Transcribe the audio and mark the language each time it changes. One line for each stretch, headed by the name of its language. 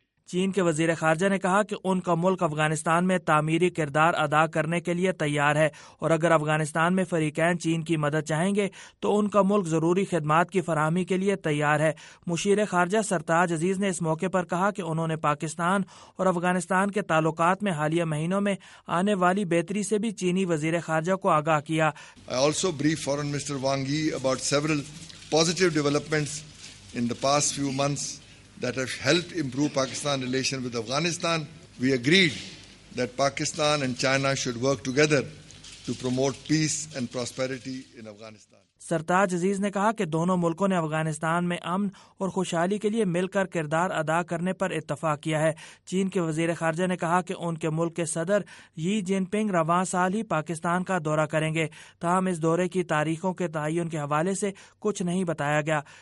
Urdu: چین کے وزیر خارجہ نے کہا کہ ان کا ملک افغانستان میں تعمیری کردار ادا کرنے کے لیے تیار ہے اور اگر افغانستان میں فریقین چین کی مدد چاہیں گے تو ان کا ملک ضروری خدمات کی فراہمی کے لیے تیار ہے. مشیر خارجہ سرتاج عزیز نے اس موقع پر کہا کہ انہوں نے پاکستان اور افغانستان کے تعلقات میں حالیہ مہینوں میں آنے والی بہتری سے بھی چینی وزیر خارجہ کو آگاہ کیا.
English: I also briefed foreign minister Wang Yi about several positive developments in the past few months that have helped improve Pakistan relation with Afghanistan. We agreed that Pakistan and China should work together to promote peace and prosperity in Afghanistan.
Urdu: سرتاج عزیز نے کہا کہ دونوں ملکوں نے افغانستان میں امن اور خوشحالی کے لیے مل کر کردار ادا کرنے پر اتفاق کیا ہے. چین کے وزیر خارجہ نے کہا کہ ان کے ملک کے صدر یی جن پنگ رواں سال ہی پاکستان کا دورہ کریں گے, تاہم اس دورے کی تاریخوں کے تعین کے حوالے سے کچھ نہیں بتایا گیا.